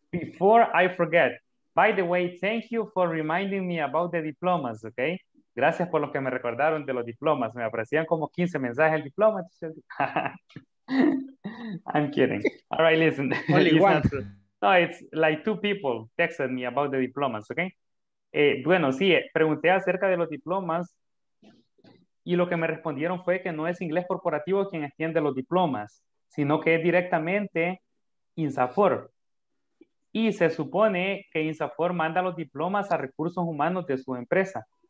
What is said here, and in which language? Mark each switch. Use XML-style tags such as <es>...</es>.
<en>Before I forget, by the way, thank you for reminding me about the diplomas. Okay.</en> <es>Gracias por lo que me recordaron de los diplomas. Me aparecían como 15 mensajes el diploma.</es> <en>I'm kidding. All right, listen. Only listen one. No, it's like two people texted me about the diplomas, okay?</en> <es>Bueno, sí, pregunté acerca de los diplomas y lo que me respondieron fue que no es Inglés Corporativo quien extiende los diplomas, sino que es directamente INSAFORP. Y se supone que INSAFORP manda los diplomas a recursos humanos de su empresa.</es>